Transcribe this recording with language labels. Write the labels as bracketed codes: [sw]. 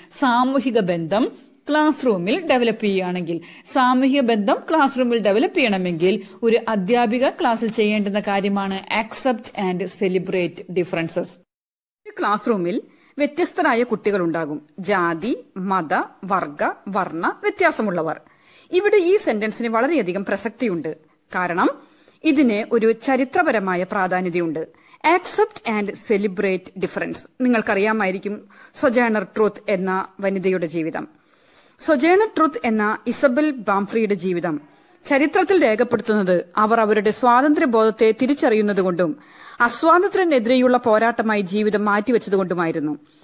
[ml] സാമൂഹിക ബന്ധം ക്ലാസ് റൂമിൽ ഡെവലപ്പ് ചെയ്യുകയാണെങ്കിൽ, സാമൂഹിക ബന്ധം ക്ലാസ് റൂമിൽ ഡെവലപ്പ് ചെയ്യണമെങ്കിൽ ഒരു അധ്യാപിക ക്ലാസ്സിൽ ചെയ്യേണ്ടുന്ന കാര്യമാണ് [en] Accept and celebrate differences. [ml] Class റൂമിൽ വ്യത്യസ്തരായ കുട്ടികൾ ഉണ്ടാകും. ജാതി, മത, വർഗ, വർണ്ണ വ്യത്യാസമുള്ളവർ. ഇവിടെ ഈ സെന്റൻസിന് വളരെയധികം പ്രസക്തിയുണ്ട്. കാരണം ഇതിന് ഒരു ചരിത്രപരമായ പ്രാധാന്യതയുണ്ട്. [en] Accept and celebrate difference. [ml] നിങ്ങൾക്കറിയാമായിരിക്കും സൊജേണർ truth എന്ന വനിതയുടെ ജീവിതം. സൊജേണർ ട്രൂത്ത് എന്ന ഇസബൽ ബാംഫ്രിയുടെ ജീവിതം ചരിത്രത്തിൽ രേഖപ്പെടുത്തുന്നത് അവർ അവരുടെ സ്വാതന്ത്ര്യബോധത്തെ തിരിച്ചറിയുന്നതുകൊണ്ടും അസ്വാതന്ത്ര്യത്തിനെതിരെയുള്ള പോരാട്ടമായി ജീവിതം മാറ്റിവെച്ചതുകൊണ്ടുമായിരുന്നു.